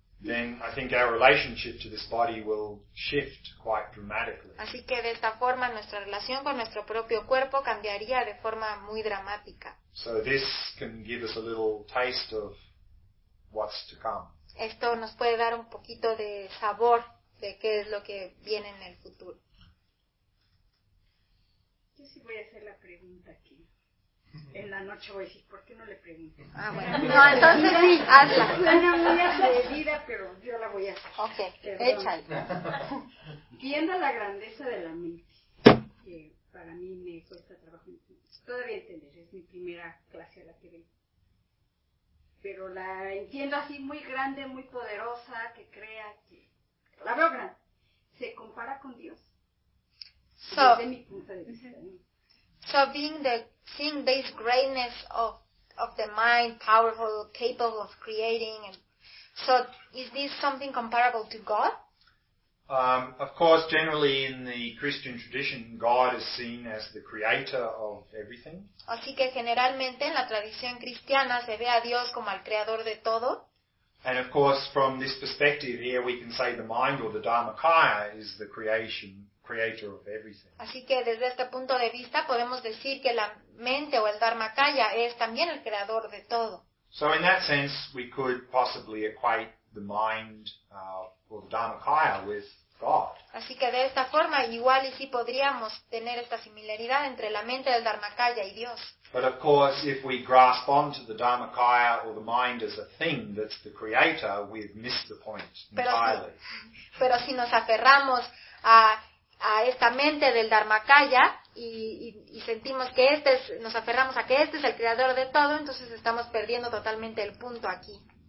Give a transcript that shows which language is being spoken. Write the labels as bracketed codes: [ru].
[en] Then I think our relationship to this body will shift quite dramatically. [es] Así que de esta forma nuestra relación con nuestro propio cuerpo cambiaría de forma muy dramática. [en] So this can give us a little taste of what's to come. [es] Esto nos puede dar un poquito de sabor de qué es lo que viene en el futuro. Yo sí voy a hacer la pregunta aquí. En la noche voy a decir, ¿por qué no le pregunto? Ah, bueno. No, entonces sí, hazla. Una muy atrevida, pero yo la voy a hacer. Ok, perdón. Échale. Viendo la grandeza de la mente, que para mí me cuesta trabajo todavía entender, es mi primera clase a la que vengo. Pero la entiendo así muy grande, muy poderosa, que crea que la logra. Se compara con Dios. [en] So, [es] desde mi punto de vista. [en] So being the seeing this greatness of the mind, powerful, capable of creating, and so is this something comparable to God? Of course, generally in the Christian tradition, God is seen as the creator of everything. [es] Así que generalmente en la tradición cristiana se ve a Dios como el creador de todo. [en] And of course, from this perspective here, we can say the mind or the Dharmakaya is the creator of everything. [es] Así que desde este punto de vista podemos decir que la mente o el Dharmakaya es también el creador de todo. [en] So in that sense, we could possibly equate the mind or the Dharmakaya with God. [es] Así que de esta forma igual y sí podríamos tener esta similaridad entre la mente del Dharmakaya y Dios. [en] But of course, if we grasp onto the Dharmakaya or the mind as a thing that's the creator, we've missed the point entirely. [es] Pero si nos aferramos a esta mente del Dharmakaya y sentimos que este es, nos aferramos a que este es el creador de todo, entonces estamos perdiendo totalmente el punto aquí.